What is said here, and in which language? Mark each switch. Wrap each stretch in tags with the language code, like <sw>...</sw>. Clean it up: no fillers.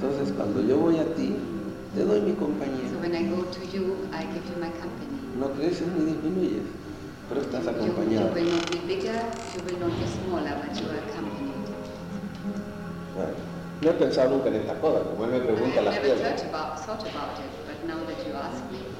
<es>Entonces, cuando yo voy a ti, te doy mi compañía.</es> <en>So when I go to you, I give you my company.</en> <es>No creces ni disminuyes. Pero estás acompañado.</es> <en>You will not be bigger, you will not be smaller, but you are accompanied.</en> <es>Bueno, no he pensado nunca en esta cosa, como él me pregunta las piedras.</es> <en>I never thought about it, but now that you ask me.</en>